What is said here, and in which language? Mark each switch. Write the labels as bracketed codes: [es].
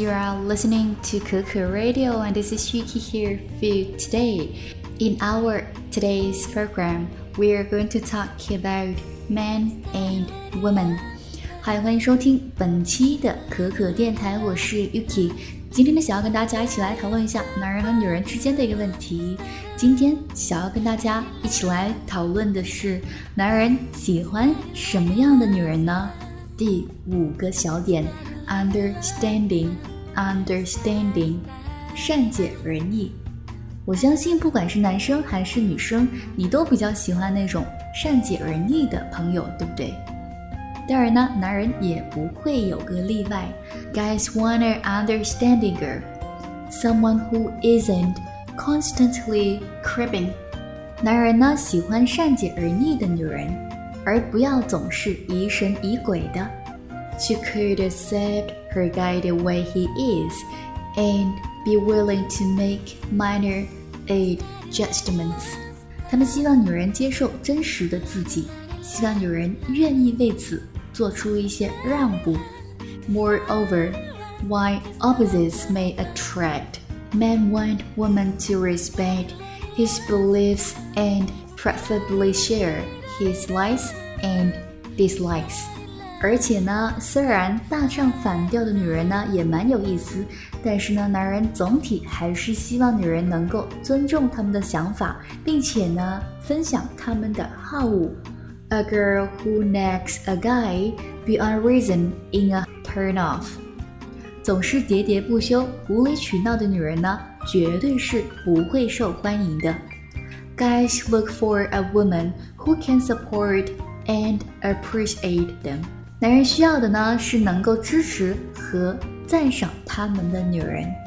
[en] You are listening to Kuku Radio, and this is Yuki here for you today. In our today's program, we are going to talk about men and women. [zh] Hi, 欢迎收听本期的可可电台，我是 Yuki。今天呢，想要跟大家一起来讨论一下男人和女人之间的一个问题。今天想要跟大家一起来讨论的是，男人喜欢什么样的女人呢？第五个小点。Understanding, 善解人意。我相信不管是男生还是女生，你都比较喜欢那种善解人意的朋友，对不对？当然呢，男人也不会有个例外。 [en] Guys want an understanding girl, someone who isn't constantly cribbing. [zh] 男人呢，喜欢善解人意的女人，而不要总是疑神疑鬼的。 [en] She could accept her guy the way he is and be willing to make minor adjustments. [zh] 他们希望女人接受真实的自己，希望女人愿意为此做出一些让步。 [en] Moreover, while opposites may attract, men want women to respect his beliefs and preferably share his likes and dislikes. [zh] 而且呢，虽然大唱反调的女人呢也蛮有意思，但是呢，男人总体还是希望女人能够尊重他们的想法，并且呢，分享他们的好恶。 [en] A girl who nags a guy beyond reason in a turn off. [zh] 总是喋喋不休、无理取闹的女人呢，绝对是不会受欢迎的。 [en] Guys look for a woman who can support and appreciate them. [zh] 男人需要的呢，是能够支持和赞赏他们的女人。